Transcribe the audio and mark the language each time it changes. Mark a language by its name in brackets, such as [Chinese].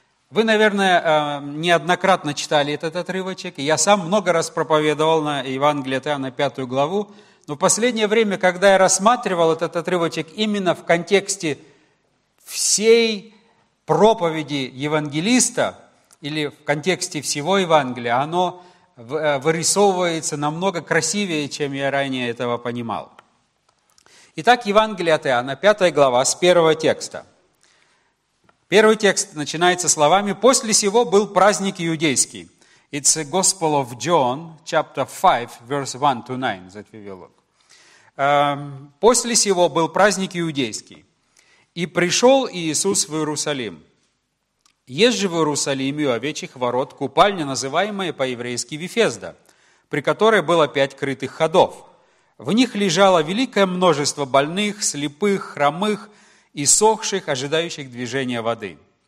[Russian] Вы, наверное, неоднократно читали этот отрывочек, и я сам много раз проповедовал на Евангелии от Иоанна 5 главу, но в последнее время, когда я рассматривал этот отрывочек именно в контексте всей проповеди евангелиста или в контексте всего Евангелия, оно вырисовывается намного красивее, чем я ранее этого понимал. Итак, Евангелие от Иоанна, 5 глава, с 1 текста. Первый текст начинается словами: «После сего был праздник иудейский». [English] It's a Gospel of John, chapter 5, verse 1 to 9, that we will look. [Russian] «После сего был праздник иудейский, и пришел Иисус в Иерусалим. Есть же в Иерусалиме у овечьих ворот купальня, называемая по-еврейски Вифезда, при которой было 5 крытых ходов. В них лежало великое множество больных, слепых, хромых и сохших, ожидающих движения воды.